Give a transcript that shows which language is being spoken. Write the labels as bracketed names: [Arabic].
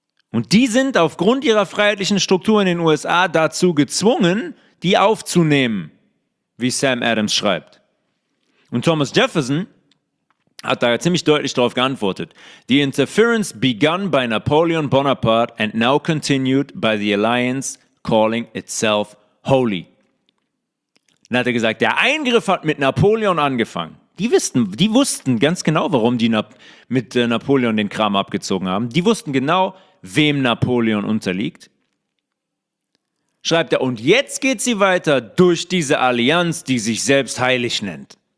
[German] Und die sind aufgrund ihrer freiheitlichen Struktur in den USA dazu gezwungen, die aufzunehmen, wie Sam Adams schreibt. Und Thomas Jefferson hat da ziemlich deutlich darauf geantwortet. [English] The interference begun by Napoleon Bonaparte and now continued by the alliance calling itself holy. [German] Dann hat er gesagt, der Eingriff hat mit Napoleon angefangen. Die wussten ganz genau, warum die mit Napoleon den Kram abgezogen haben. Die wussten genau, wem Napoleon unterliegt. Schreibt er, und jetzt geht sie weiter durch diese Allianz, die sich selbst heilig nennt.